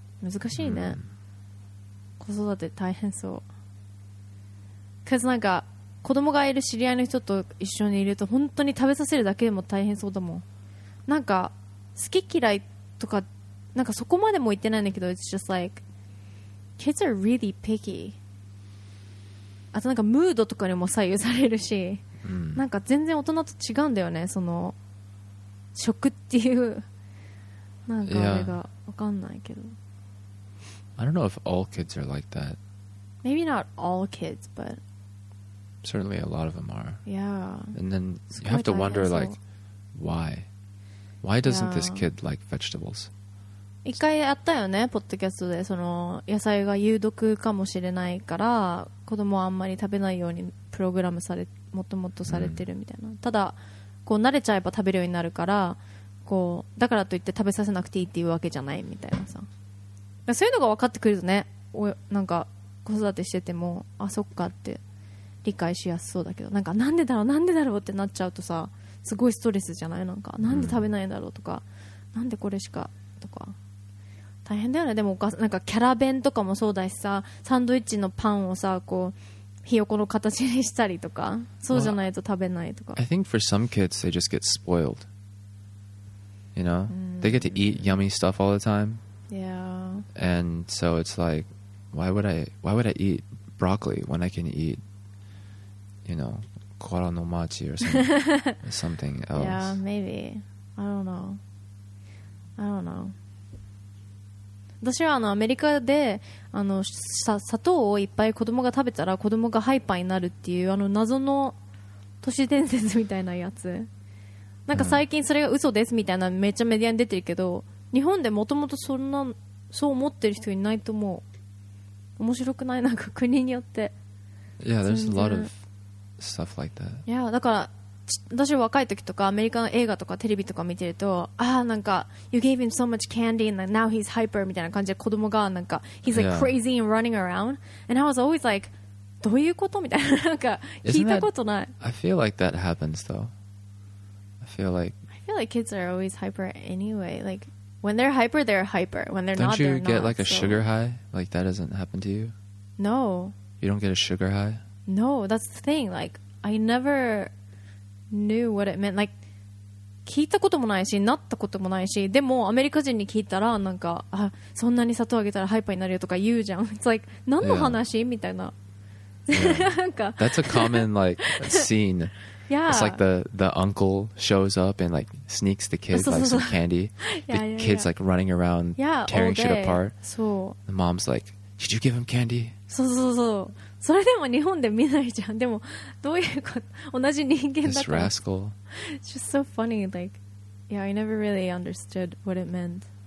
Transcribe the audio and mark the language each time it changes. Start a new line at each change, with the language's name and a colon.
Japanese: な難しいね、子育て大変そう
English: Cause
Japanese: なんか子供がいる知り合いの人と一緒にいると本当に食べさせるだけでも大変そうだもんなんか好き嫌いとかなんかそこまでも言ってないんだけど
English: It's just likeKids are really picky.
Japanese: あとなんかムードとかにも左右されるし、なんか全然大人と違うんだよね。その食っていうなんかあれがわかんないけど。
English: I don't know if all kids are like that. Maybe not all kids, but certainly a lot of them are. Yeah. And then you have to wonder like why doesn't this kid like vegetables?
Japanese: 一回やったよね、ポッドキャストで、その野菜が有毒かもしれないから子供はあんまり食べないようにプログラムされ、もっともっとされてるみたいな、うん、ただこう慣れちゃえば食べるようになるから、こうだからといって食べさせなくていいっていうわけじゃないみたいなさ、そういうのが分かってくるとね、おなんか子育てしてても、あそっかって理解しやすそうだけど、なんかなんでだろうなんでだろうってなっちゃうとさ、すごいストレスじゃない、なんかなんで食べないんだろうとか、うん、なんでこれしかとか大変だよね。でもお母さん、なんかキャラ弁とかもそうだしさ、サンドイッチのパンをさ、こうひよこの形にしたりとか、そうじゃないと食べないとか。
English: Well, I think for some kids they just get spoiled. You know,、mm-hmm. they get to eat yummy stuff all the time. Yeah. And so it's like, why would I eat broccoli when I can eat, you know, koala no machi or something, something else? Yeah, maybe. I don't know.
Japanese: 私はあのアメリカで、あの砂糖をいっぱい子供が食べたら子供がハイパーになるっていう、あの謎の都市伝説みたいなやつ、なんか最近それが嘘ですみたいな、めっちゃメディアに出てるけど、日本でもともとそんな、そう思ってる人いないと思う。面白くない、なんか国によって。
English: Yeah, there's a lot of stuff like that.
Japanese: Yeah, だから私は若い時とかアメリカの映画とかテレビとか見てると、ああなんか
English: You gave him so much candy and now he's hyper
Japanese: みたいな感じで、子供がなんか
English: He's like crazy and running around、
Japanese: yeah.
English: And I was always like
Japanese: どういうことみたいな、なんか聞いたことない。
English: I feel like that happens though. I feel like kids are always hyper anyway. Like when they're hyper, they're hyper. When they're don't not, they're not. Don't you get like a sugar high? Like that doesn't happen to you? No. You don't get a sugar high? No, that's the thing. Like I neverknew what it meant.
Japanese: Like, 聞いたこともないし、なったこともないし、でもアメリカ人に聞いたらなんか、あ、そんなに砂糖あげたらハイパーになるよとか言うじゃん。
English: It's like
Japanese: 何の話、yeah. みたいな。
English: Yeah. なんか。That's a common like scene. Yeah. It's like the uncle shows up and like sneaks the kids like some candy. The kids like running around tearing shit apart.
Japanese: そう。
English: The mom's like, "Did you give him candy?"
Japanese: そうそうそう。それでも日本で見ないじゃん。でもどういうこと、同じ人間だから。
English: This rascal. It's just so funny. Like, yeah, I never really understood what it meant.